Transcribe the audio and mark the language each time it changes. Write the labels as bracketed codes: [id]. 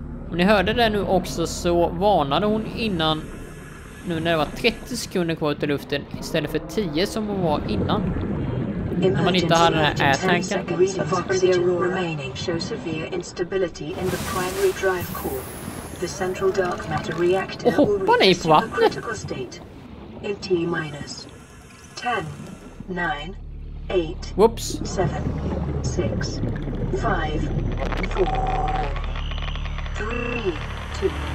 [sv] Om ni hörde det nu också så varnade hon innan... Nu när det var 30 sekunder kvar ut i luften istället för 10 som hon var innan. När man inte hade den här airtanken. [en] Remaining show severe instability in the primary drive core. The central dark matter reactor. [sv] Och hoppar ni på vattnet? [en] In T-minus 10, 9, 8, 7, 6, 5, 4, 3, 2.